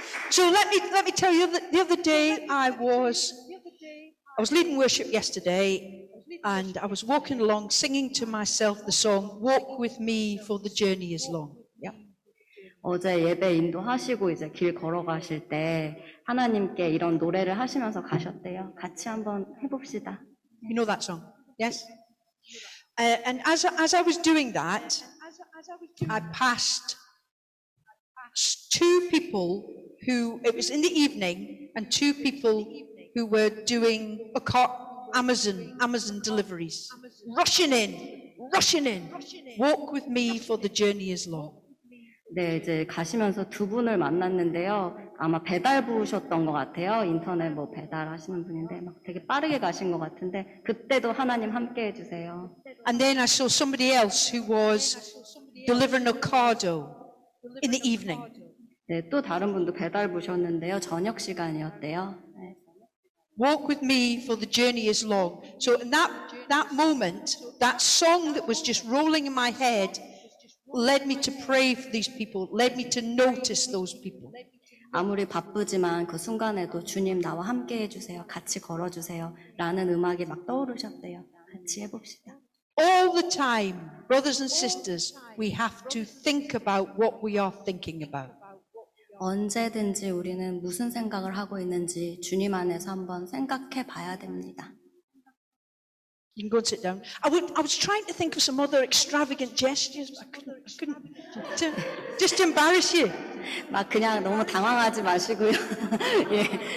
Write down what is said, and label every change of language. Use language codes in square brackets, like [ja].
[en] So let me tell you that the other day I was leading worship yesterday, and I was walking along singing to myself the song "Walk with Me, for the journey is long." Yeah. [ko] 어제 예배 인도하시고 이제 길 걸어가실 때 하나님께 이런 노래를 하시면서 가셨대요. 같이 한번 해봅시다. [en] You know that song? Yes. And as I was doing that, I passed two people. Who it was in the evening, and two people who were doing a cart Amazon deliveries, rushing in. Walk with me, for the journey is long. [ko] 네, 이제 가시면서 두 분을 만났는데요. 아마 배달부셨던 것 같아요. 인터넷 뭐 배달하시는 분인데 막 되게 빠르게 가신 것 같은데 그때도 하나님 함께 해주세요. [en] And then I saw somebody else who was delivering a cardo in the evening. [ko] 네, 또 다른 분도 배달 부셨는데요. 저녁 시간이었대요. 네. [en] Walk with me, for the journey is long. So in that moment, that song that was just rolling in my head led me to pray for these people, led me to notice those people. [ko] 아무리 바쁘지만 그 순간에도 주님 나와 함께 해주세요. 같이 걸어주세요. 라는 음악이 막 떠오르셨대요. 같이 해봅시다. [en] All the time, brothers and sisters, we have to think about what we are thinking about. [ko] 언제든지 우리는 무슨 생각을 하고 있는지 주님 안에서 한번 생각해 봐야 됩니다. [en] You can go sit down. I was trying to think of some other extravagant gestures. I couldn't. Just embarrass you. [ko] 막 그냥 너무 당황하지 마시고요. 예.